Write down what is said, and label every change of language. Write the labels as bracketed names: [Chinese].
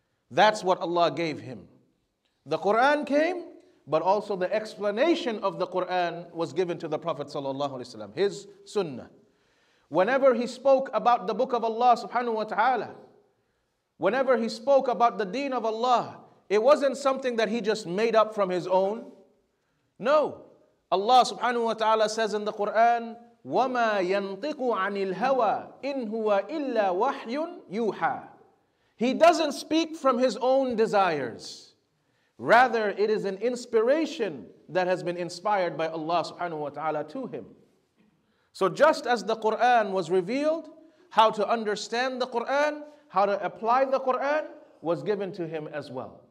[English] That's what Allah gave him. The Qur'an came, but also the explanation of the Qur'an was given to the Prophet ﷺ, his sunnah. Whenever he spoke about the book of Allah subhanahu wa ta'ala, whenever he spoke about the deen of Allah, it wasn't something that he just made up from his own. No. Allah subhanahu wa ta'ala says in the Quran, [Arabic] وَمَا يَنْطِقُ عَنِ الْهَوَىٰ إِنْ هُوَ إِلَّا وَحْيٌ يُوحَىٰ. [English] He doesn't speak from his own desires. Rather, it is an inspiration that has been inspired by Allah subhanahu wa ta'ala to him. So just as the Qur'an was revealed, how to understand the Qur'an, how to apply the Qur'an, was given to him as well.